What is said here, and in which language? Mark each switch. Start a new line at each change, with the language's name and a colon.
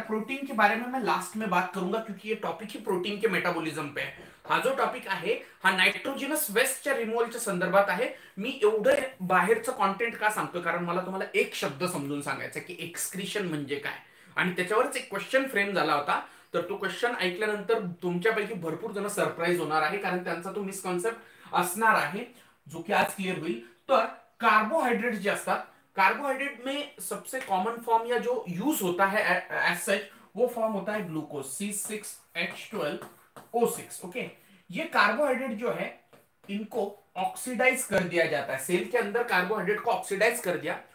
Hindi: Protein के बारे में मैं लास्ट में बात करूंगा, क्योंकि ये टॉपिक ही प्रोटीन के मेटाबॉलिज्म पे है।
Marathi: हा जो टॉपिक आहे हा नायट्रोजिनस वेस्टच्या रिमूवलच्या संदर्भात आहे। मी एवढं बाहेरचं कॉन्टेंट का सांगतोय, कारण मला तुम्हाला एक शब्द समजून सांगायचा की एक्सक्रिशन म्हणजे काय, आणि त्याच्यावरच एक क्वेश्चन फ्रेम झाला होता, तर तो क्वेश्चन ऐकल्यानंतर तुमच्यापैकी भरपूर जण सरप्राईज होणार आहे, कारण त्यांचा तो मिसकॉन्सेप्ट असणार आहे जो की आज क्लिअर होईल। तर कार्बोहायड्रेट जे असतात,
Hindi: कार्बोहाइड्रेट में सबसे कॉमन फॉर्म या जो यूज होता है एज सच, वो फॉर्म होता है ग्लूकोज, C6H12O6। ओके, ये कार्बोहाइड्रेट जो है इनको ऑक्सीडाइज कर दिया जाता है, सेल के अंदर कार्बोहाइड्रेट को ऑक्सीडाइज कर दिया।